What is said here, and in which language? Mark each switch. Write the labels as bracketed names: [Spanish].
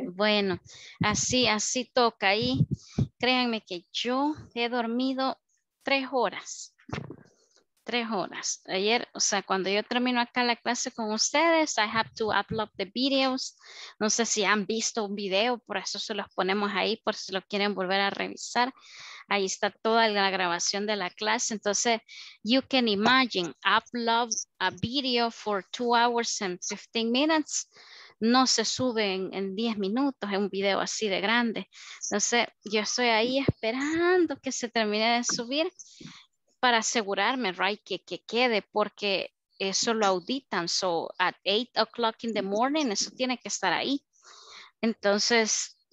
[Spanish] Bueno, así toca ahí. Créanme que yo he dormido 3 horas. 3 horas. Ayer, o sea, cuando yo termino acá la clase con ustedes, [English] I have to upload the videos. [Spanish] No sé si han visto un video, por eso se los ponemos ahí, por si lo quieren volver a revisar. Ahí está toda la grabación de la clase. [English] Entonces, you can imagine, upload a video for 2 hours and 15 minutes. [Spanish] No se sube en 10 minutos, es un video así de grande. Entonces, yo estoy ahí esperando que se termine de subir para asegurarme, right, que quede, porque eso lo auditan. [English] So, at 8 o'clock in the morning, [Spanish] eso tiene que estar ahí. Entonces,